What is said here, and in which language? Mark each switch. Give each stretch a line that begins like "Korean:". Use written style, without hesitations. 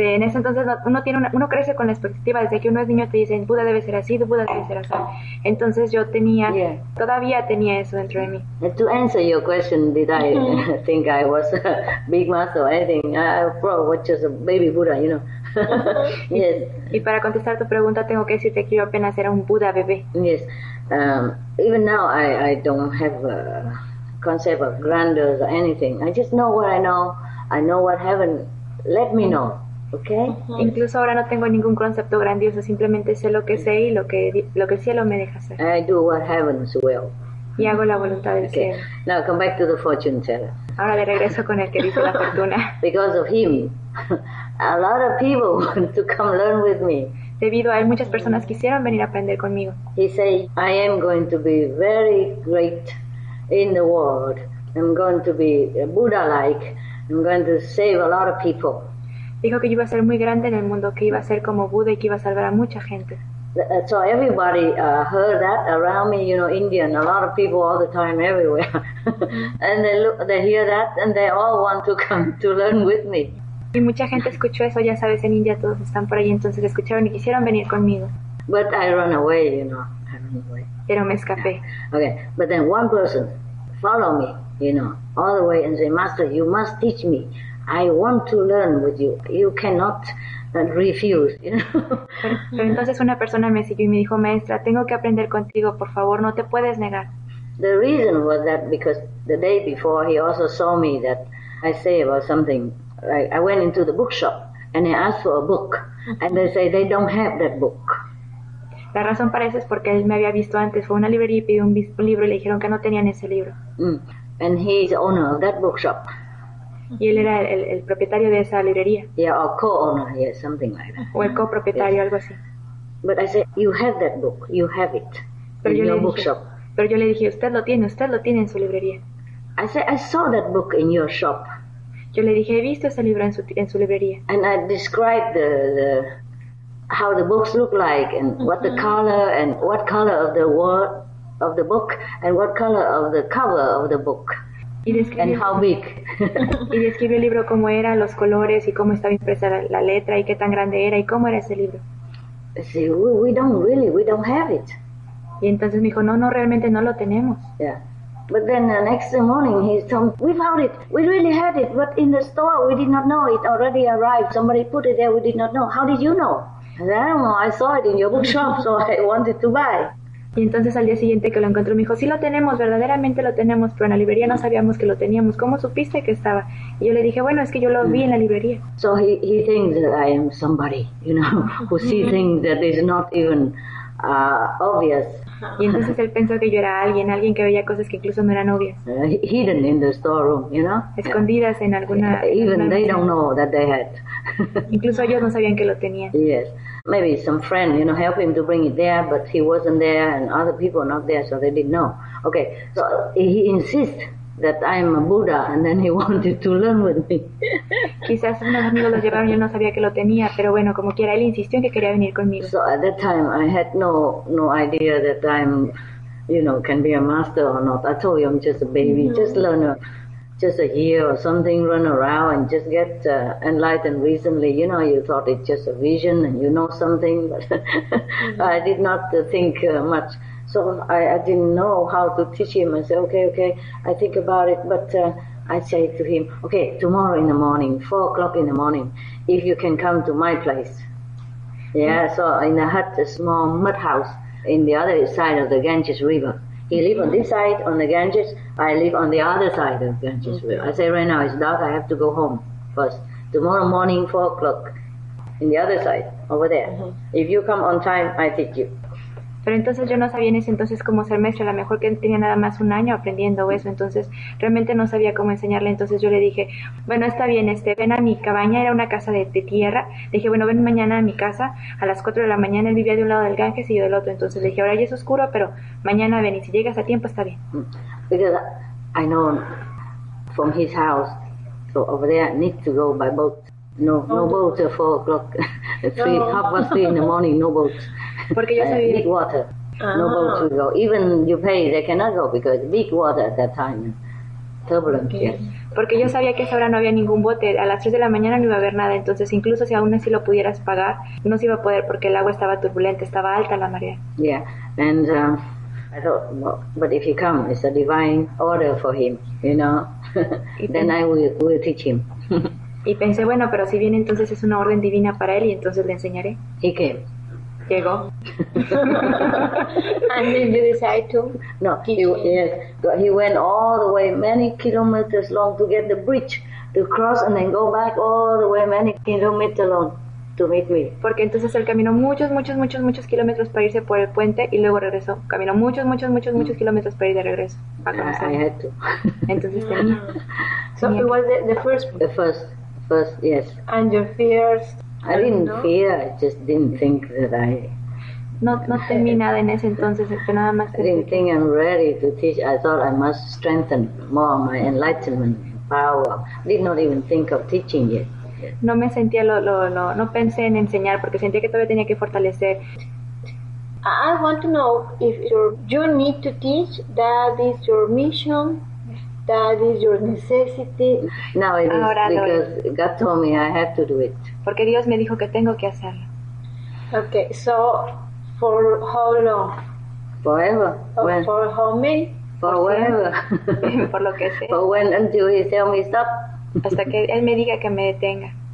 Spanish: En ese entonces uno crece con la expectativa, desde que uno es niño te dicen Buda debe ser así, Buda debe ser así. Entonces yo tenía, todavía tenía eso dentro de mí.
English: To answer your question, did I think I was a big master or anything? I probably was just a baby Buddha, you know. Yes.
Spanish: Y para contestar tu pregunta tengo que decirte que yo apenas era un Buda bebé.
English: Yes. Even now I don't have concept of grandeur or anything. I just know what I know. I know what heaven let me know. Okay?
Spanish: Uh-huh. Incluso ahora no tengo ningún concepto grandioso. Simplemente sé lo que sé y lo que el cielo me deja hacer.
English: I do what heaven's will.
Spanish: Y hago la voluntad del cielo.
English: Now come back to the fortune teller.
Spanish: Ahora de regreso con el que dice la fortuna.
English: Because of him, a lot of people want to come learn with me.
Spanish: Debido a él, muchas personas quisieron venir a aprender conmigo.
English: He say, I am going to be very great in the world. I'm going to be Buddha-like. I'm going to save a lot of people.
Spanish: Dijo que iba a ser muy grande en el mundo, que iba a ser como Buda y que iba a salvar a mucha gente.
English: So everybody heard that around me, you know, Indian, a lot of people all the time, everywhere. And they hear that and they all want to come to learn with me.
Spanish: Y mucha gente escuchó eso, ya sabes, en India todos están por ahí, entonces escucharon y quisieron venir conmigo.
English: But I run away, you know.
Spanish: Pero me escapé.
English: Okay, but then one person follow me, you know, all the way and say, Master, you must teach me. I want to learn with you. You cannot refuse, you know.
Spanish: Pero entonces una persona me siguió y me dijo, Maestra, tengo que aprender contigo, por favor, no te puedes negar.
English: The reason was that because the day before he also saw me that I say about something. Like I went into the bookshop and I asked for a book and they say they don't have that book.
Spanish: La razón para eso es porque él me había visto antes. Fue a una librería y pidió un libro y le dijeron que no tenían ese libro.
English: Mm. And he is owner of that bookshop.
Spanish: Y él era el propietario de esa librería.
English: Yeah, or co-owner, yes, something like that.
Spanish: O el copropietario,
English: yes.
Spanish: Algo así.
English: But I said, you have that book, you have it.
Spanish: Pero
English: in
Spanish: yo
English: your
Spanish: le dije,
English: bookshop.
Spanish: Pero yo le dije, usted lo tiene en su librería.
English: I said, I saw that book in your shop.
Spanish: Yo le dije, he visto ese libro en su librería.
English: And I described the how the books look like and what the color and what color of the word of the book and what color of the cover of the book and how big.
Spanish: Y describí el libro como era, los colores y cómo estaba impresa la letra y qué tan grande era y cómo era ese libro.
English: See, we don't have it.
Spanish: Y entonces me dijo, no, realmente no lo tenemos.
English: Yeah. But then the next morning he told me, we found it, we really had it, but in the store we did not know, it already arrived, somebody put it there, we did not know. How did you know? I don't know, I saw it in your bookshop, so I wanted to buy.
Spanish: Y entonces al día siguiente que lo encontró me dijo, sí lo tenemos, verdaderamente lo tenemos, pero en la librería no sabíamos que lo teníamos. ¿Cómo supiste que estaba? Y yo le dije, bueno, es que yo lo vi en la librería.
English: So he thinks that I am somebody, you know, who see things that is not even obvious.
Spanish: Y entonces él pensó que yo era alguien que veía cosas que incluso no eran obvias.
English: Hidden in the storeroom, you know.
Spanish: Escondidas en alguna.
English: Even they don't know that they had.
Spanish: Incluso ellos no sabían que lo tenían.
English: Yes, maybe some friend, you know, help him to bring it there, but he wasn't there and other people not there, so they didn't know. Okay, so he insists that I am a Buddha and then he wanted to learn with me.
Spanish: Quizás unos amigos lo llevaron, yo no sabía que lo tenía, pero bueno, como quiera, él insistió en que quería venir conmigo.
English: So at that time I had no idea that I'm you know, can be a master or not. I told you I'm just a baby. No. Just learn a, just a year or something, run around and just get enlightened recently. You know, you thought it's just a vision and you know something, but I did not think much. So I didn't know how to teach him. I said, okay, I think about it. But I say to him, okay, tomorrow in the morning, 4 o'clock in the morning, if you can come to my place. Yeah, mm-hmm. So in a hut, a small mud house in the other side of the Ganges River. He live on this side on the Ganges, I live on the other side of Ganges River. I say, right now it's dark, I have to go home first. Tomorrow morning, 4 o'clock, in the other side, over there. Mm-hmm. If you come on time, I teach you.
Spanish: Pero entonces yo no sabía en ese entonces cómo ser maestra, a lo mejor que tenía nada más un año aprendiendo eso, entonces realmente no sabía cómo enseñarle. Entonces yo le dije, bueno, está bien, ven a mi cabaña, era una casa de tierra. Le dije, bueno, ven mañana a mi casa a las 4 de la mañana, él vivía de un lado del Ganges y yo del otro. Entonces le dije, ahora ya es oscuro, pero mañana ven y si llegas a tiempo está bien.
English: Because I know from his house, so over there I need to go by boat. No boat at 4 o'clock, half past 3 in the morning, no boat.
Spanish: Porque yo soy
English: big water, no boat to go. Even you pay, they cannot go because big water at that time, turbulent. Okay. Yes.
Spanish: Porque yo sabía que a esa hora no había ningún bote. A las 3 de la mañana no iba a haber nada. Entonces, incluso si aún así lo pudieras pagar, no se iba a poder porque el agua estaba turbulente, estaba alta la marea.
English: Yeah, and I thought, well, but if he come, it's a divine order for him, you know. Then I will teach him.
Spanish: Y pensé, bueno, pero si viene, entonces es una orden divina para él y entonces le enseñaré.
English: He came.
Spanish: Llegó.
English: And then you decide to? No, he went all the way, many kilometers long to get the bridge to cross and then go back all the way, many kilometers long to meet me.
Spanish: Porque entonces él caminó muchos kilómetros para irse por el puente y luego regresó. Caminó muchos kilómetros para ir de regreso.
English: I had to.
Spanish: Entonces tenía.
English: So it was the first one? The first, yes. And your fears? I didn't fear, I just didn't think that I...
Spanish: No temí nada en ese entonces, nada más...
English: I didn't think I'm ready to teach. I thought I must strengthen more my enlightenment, power. Did not even think of teaching yet.
Spanish: No me sentía no pensé en enseñar, porque sentía que todavía tenía que fortalecer.
English: I want to know if you need to teach, that is your mission, that is your necessity. Now it is,
Spanish: ahora,
English: because God told me I have to do it.
Spanish: Porque Dios me dijo que tengo que hacerlo.
English: Okay, so for how long? Forever. For how many? For whatever.
Spanish: Por lo que sea.
English: For when, until he tell me stop.
Spanish: Hasta que él me diga que me detenga.